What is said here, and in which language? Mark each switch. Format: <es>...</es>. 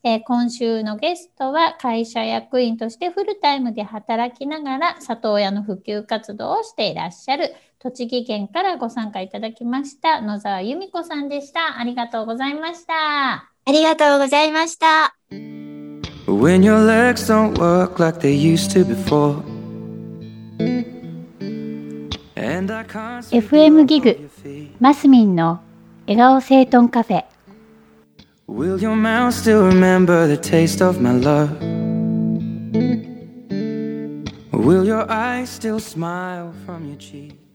<ja>今週のゲストは、会社役員としてフルタイムで働きながら、里親の普及活動をしていらっしゃる、栃木県からご参加いただきました、野沢由美子さんでした。ありがとうございました。ありがとうございました。</ja> <en>When your legs don't work like they used to before。</en> <ja>FM ギグマスミンの笑顔整頓カフェ。</ja> <en>Will your mouth still remember the taste of my love? Will your eyes still smile from your cheek?</en>